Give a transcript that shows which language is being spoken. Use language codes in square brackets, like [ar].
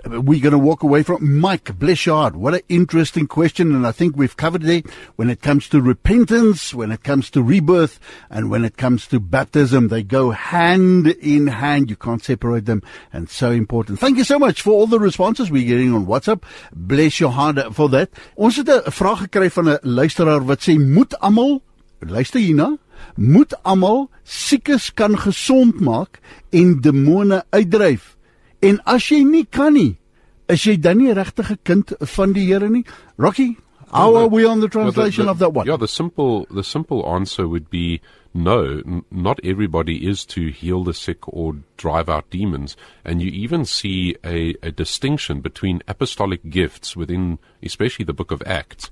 [en] We're going to walk away from Mike Blechard. What an interesting question. And I think we've covered it when it comes to repentance, when it comes to rebirth, and when it comes to baptism. They go hand in hand. You can't separate them. And so important. Thank you so much for all the responses we're getting on WhatsApp. Bless your heart for that. [af] Ons het 'n vraag gekry van 'n luisteraar wat sê, moet almal, luister hierna, moet almal siekes kan gesond maak en demone uitdryf? En as jy nie kan nie, is jy dan nie regtig 'n kind van die Here nie? [en] Rocky, how are we on the translation of that one? Yeah, the simple answer would be no, not everybody is to heal the sick or drive out demons. And you even see a distinction between apostolic gifts within, especially the book of Acts.